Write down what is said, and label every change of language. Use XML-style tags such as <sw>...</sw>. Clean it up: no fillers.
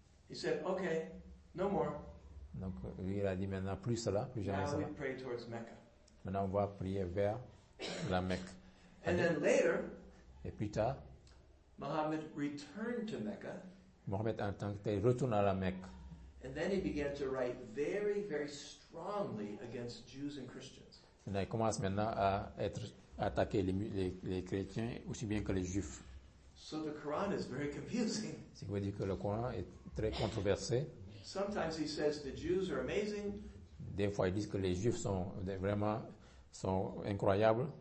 <en>He said, okay, no more.</en> <fr>Donc lui il a dit maintenant plus cela, plus jamais cela.</fr> <en>Now we pray towards Mecca.</en> <fr>Maintenant on va prier vers la Mecque.</fr> <en>And then later.</en> <fr>Et plus tard.</fr> <en>Mohammed returned to Mecca.</en> <fr>Mohammed en tant que tel retourne à la Mecque.</fr> <en>And then he began to write very, very strongly against Jews and Christians.</en> <fr>Maintenant, il commence maintenant à être attaqué les chrétiens aussi bien que les Juifs.</fr> <en>So the Quran is very confusing.</en> <fr>Ce qui veut dire que le Coran est très controversé.</fr> <en>Sometimes he says the Jews are amazing.</en> <fr>Des fois, ils disent que les Juifs sont vraiment sont incroyables.</fr>